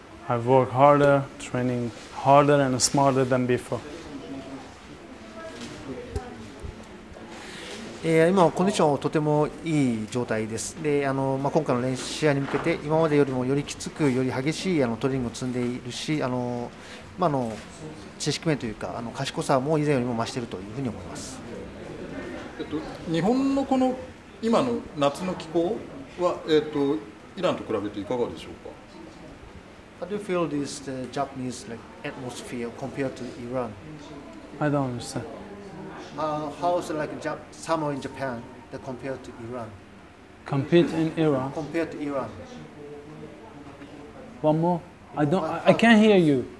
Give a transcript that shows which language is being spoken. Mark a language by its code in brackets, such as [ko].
[en] I've worked harder, training harder and smarter than before. [ja] 今はコンディションはとてもいい状態です。で、まあ、今回の練習試合に向けて今までよりもよりきつくより激しいトレーニングを積んでいるし、まあ、知識面というか賢さも以前よりも増しているというふうに思います。日本のこの今の夏の気候は、イランと比べていかがでしょうか。 [en] How do you feel this the Japanese like, atmosphere compared to Iran? I don't understand How's like summer in Japan compared to Iran? Compete in Iran? Compared to Iran. One more? I can't hear you.